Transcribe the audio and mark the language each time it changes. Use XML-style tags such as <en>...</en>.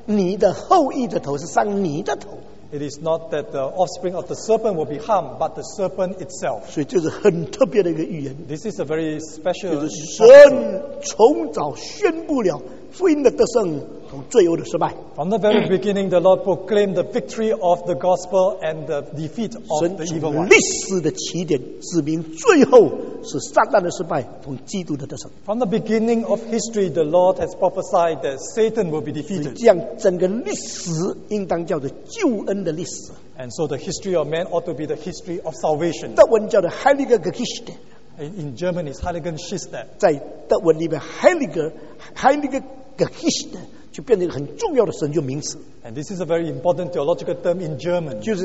<zh>那不是说女人的后裔伤你的后裔的头是伤你的头,</zh> <en>it is not that the offspring of the serpent will be harmed, but the serpent itself.</en> <zh>所以这是很特别的一个预言,</zh> <en>this is a very special,</en> <zh>就是神从早宣布了福音的得胜和罪恶的失败,</zh> <en>from the very beginning the Lord proclaimed the victory of the gospel and the defeat of the evil one.</en> <zh>历史的起点指明最后是撒旦的失败和基督的得胜,</zh> <en>from the beginning of history the Lord has prophesied that Satan will be defeated.</en> <zh>这样整个历史应当叫做救恩的历史,</zh> <en>and so the history of man ought to be the history of salvation.</en> <zh>德文叫做 Heilige Geschichte,</zh> <en>in German is Heilige Geschichte.</en> <zh>在德文里面 Heilige Geschichte 就变成一个很重要的神就名词,</zh> <en>and this is a very important theological term in German.</en>